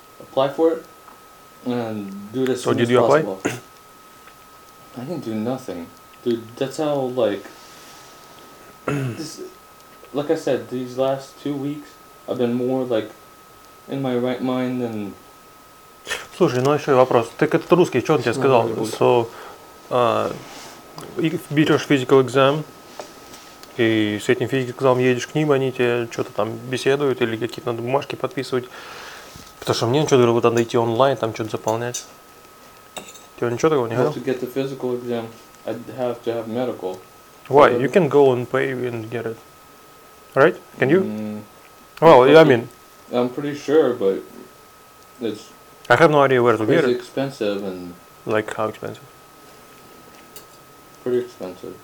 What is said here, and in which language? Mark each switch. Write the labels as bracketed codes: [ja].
[en] Apply for it and do this. So did you apply? Possible. I didn't do nothing. Dude, that's how, like I said, these last 2 weeks, I've been more, in my right mind than... [ru] Слушай, еще и вопрос. Ты как-то русский, что он тебе сказал? So, берешь physical exam, и с этим physical exam едешь к ним, они тебе что-то там беседуют, или какие-то надо бумажки подписывать. Потому что мне он что-то говорил, надо идти онлайн, там что-то заполнять. Тебе ничего такого не говорил? [en] To get the physical exam. I'd have to have medical. Why? You can go and pay and get it. Right? Can you? I'm pretty sure, but it's... I have no idea where to get it. It's expensive and... Like how expensive? Pretty expensive.